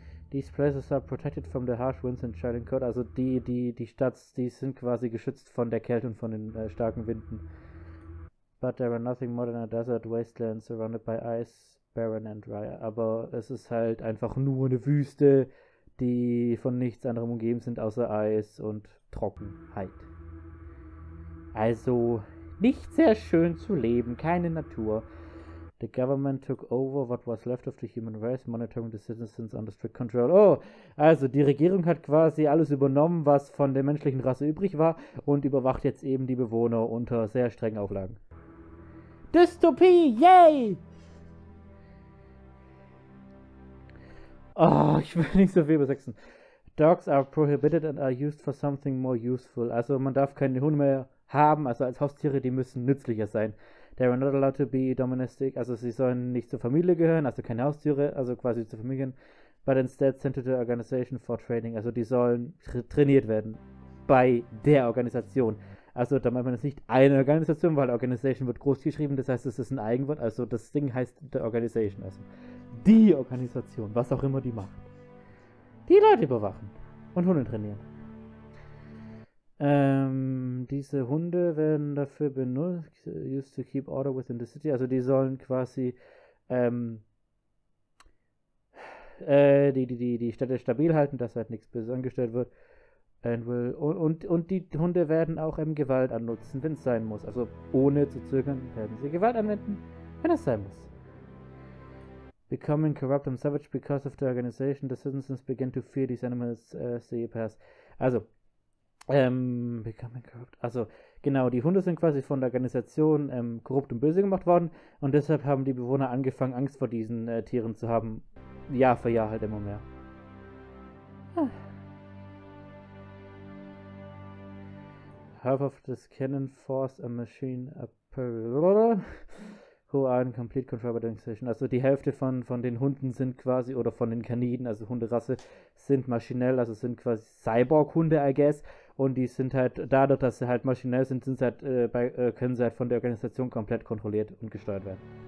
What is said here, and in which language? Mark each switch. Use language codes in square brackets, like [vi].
[en] These places are protected from the harsh winds and chilling cold. [de] Also die Stadts, die sind quasi geschützt von der Kälte und von den starken Winden. [en] But there are nothing more than a desert wasteland surrounded by ice, barren and dry. [de] Aber es ist halt einfach nur eine Wüste, die von nichts anderem umgeben sind, außer Eis und Trockenheit. Also, nicht sehr schön zu leben, keine Natur. [en] The government took over what was left of the human race, monitoring the citizens under strict control. [de] Oh, also die Regierung hat quasi alles übernommen, was von der menschlichen Rasse übrig war und überwacht jetzt eben die Bewohner unter sehr strengen Auflagen. Dystopie, yay! Oh, ich will nicht so viel übersetzen. [en] Dogs are prohibited and are used for something more useful. [de] Also man darf keine Hunde mehr haben, also als Haustiere, die müssen nützlicher sein. [en] They are not allowed to be domestic, [de] also sie sollen nicht zur Familie gehören, also keine Haustiere, also quasi zur Familie. [en] But instead sent to the organization for training, [de] also die sollen trainiert werden bei der Organisation. Also da meint man es nicht eine Organisation, weil Organisation wird groß geschrieben, das heißt, es ist ein Eigenwort, also das Ding heißt The Organization, also die Organisation, was auch immer die macht. Die Leute überwachen und Hunde trainieren. Diese Hunde werden dafür benutzt, [en] used to keep order within the city, [de] also die sollen quasi die Städte stabil halten, dass halt nichts Böses angestellt wird. Und die Hunde werden auch im Gewalt annutzen, wenn es sein muss. Also ohne zu zögern werden sie Gewalt anwenden, wenn es sein muss. [en] Becoming corrupt and savage because of the organization, the citizens begin to fear these animals as they pass. Also, becoming corrupt. [de] Also, genau, die Hunde sind quasi von der Organisation korrupt und böse gemacht worden und deshalb haben die Bewohner angefangen, Angst vor diesen Tieren zu haben. Jahr für Jahr halt immer mehr. [en] Half of this cannon force a machine apparel who are in complete control by the organization. [de] Also die Hälfte von den Hunden sind quasi, oder von den Kaniden, also Hunderasse, sind maschinell, also sind quasi Cyborg-Hunde, [en] I guess. [de] Und die sind halt, dadurch, dass sie halt maschinell sind, können sie halt von der Organisation komplett kontrolliert und gesteuert werden.